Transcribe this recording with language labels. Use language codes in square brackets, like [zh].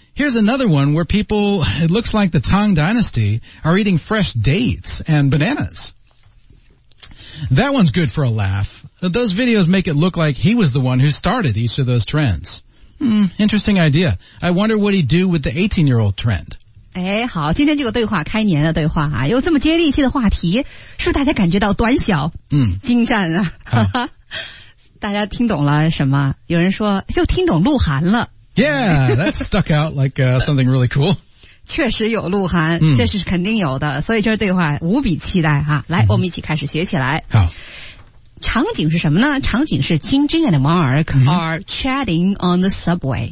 [en] Here's another one where people, it looks like the Tang Dynasty, are eating fresh dates and bananas. That one's good for a laugh. Those videos make it look like he was the one who started each of those trends. Interesting idea. I wonder what he'd do with the 18-year-old trend. [zh] 哎，好，今天这个对话，开年的对话啊，有这么接地气的话题，是不是大家感觉到短小？精湛啊！大家听懂了什么？有人说就听懂鹿晗了。 [en] Yeah, that stuck out like something really cool. [zh] 确实有鹿晗，这是肯定有的，所以这对话无比期待哈。来，我们一起开始学起来。好，场景是什么呢？场景是 [en] Jingjing and Mark are chatting on the subway.